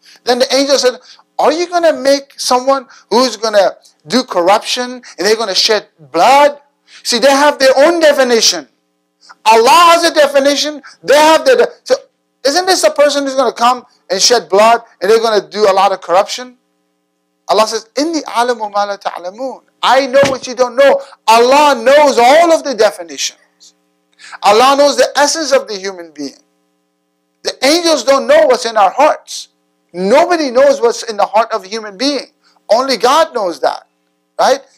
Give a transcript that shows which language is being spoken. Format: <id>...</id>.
<en>Then the angel said, are you going to make someone who's going to do corruption and they're going to shed blood? See, they have their own definition. Allah has a definition. They have their so isn't this a person who's going to come and shed blood and they're going to do a lot of corruption?</en> <ar>Allah says, إِنِّي أَعْلَمُ مَا لَا تَعْلَمُونَ.</ar> <en>I know what you don't know. Allah knows all of the definitions. Allah knows the essence of the human being. The angels don't know what's in our hearts. Nobody knows what's in the heart of a human being. Only God knows that. Right?</en>